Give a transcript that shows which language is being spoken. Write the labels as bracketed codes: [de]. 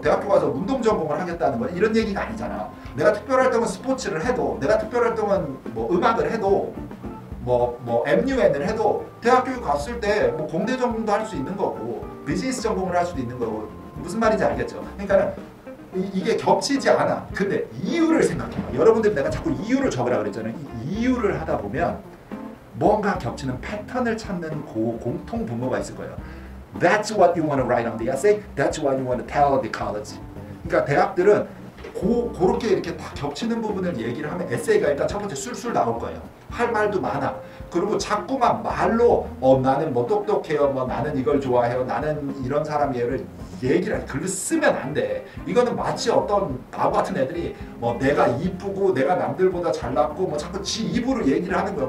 [ko] 대학교 가서 운동 전공을 하겠다는 건 이런 얘기가 아니잖아. 내가 특별활동은 스포츠를 해도 내가 특별활동은 뭐 음악을 해도 뭐 MUN을 해도 대학교 갔을 때 뭐 공대 전공도 할 수 있는 거고 비즈니스 전공을 할 수도 있는 거고 무슨 말인지 알겠죠? 그러니까 이게 겹치지 않아. 근데 이유를 생각해봐. 여러분들 내가 자꾸 이유를 적으라 그랬잖아요. 이유를 하다 보면 뭔가 겹치는 패턴을 찾는 그 공통 분모가 있을 거예요. [en] That's what you want to write on the essay. That's what you want to tell the college. [ko] 그러니까 대학들은 그렇게 이렇게 다 겹치는 부분을 얘기를 하면 에세이가 일단 첫 번째 술술 나올 거예요. 할 말도 많아. 그리고 자꾸만 말로 나는 뭐 똑똑해요. 뭐 나는 이걸 좋아해요. 나는 이런 사람이에요를 얘기를 글로 쓰면 안 돼. 이거는 마치 어떤 바보 같은 애들이 뭐 내가 이쁘고 내가 남들보다 잘났고 뭐 자꾸 지 입으로 얘기를 하는 거야.